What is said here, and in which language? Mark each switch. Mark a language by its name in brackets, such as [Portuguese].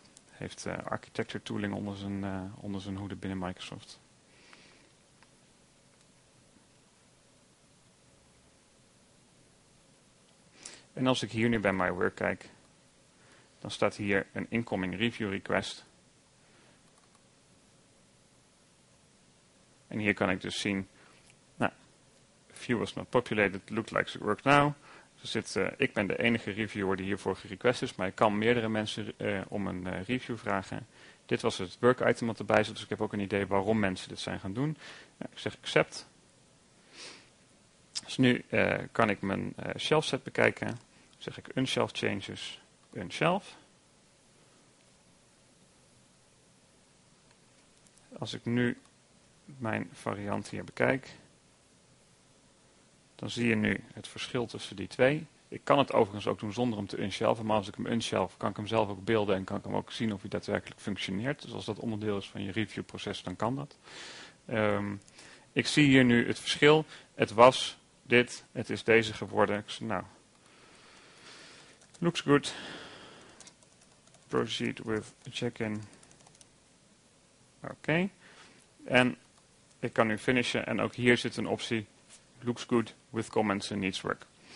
[Dutch] Heeft architecture tooling onder zijn hoede binnen Microsoft. En als ik hier nu bij MyWork kijk, dan staat hier een incoming review request. En hier kan ik dus zien, nou, [English] view was not populated, looked like it worked now. [Dutch] Dus dit, ik ben de enige reviewer die hiervoor gerequest is, maar ik kan meerdere mensen om een review vragen. Dit was het work item wat erbij zit, dus ik heb ook een idee waarom mensen dit zijn gaan doen. Ja, ik zeg accept. Dus nu kan ik mijn shelf set bekijken. Dan zeg ik unshelf changes, unshelf. Als ik nu mijn variant hier bekijk, dan zie je nu het verschil tussen die twee. Ik kan het overigens ook doen zonder hem te unshelven, maar als ik hem unshelf, kan ik hem zelf ook beelden en kan ik hem ook zien of hij daadwerkelijk functioneert. Dus als dat onderdeel is van je reviewproces, dan kan dat. Ik zie hier nu het verschil. Het was dit, het is deze geworden. Ik zeg, nou, [English] looks good. Proceed with check-in. Oké. [Dutch] En ik kan nu finishen en ook hier zit een optie. [English] Looks good with comments and needs work.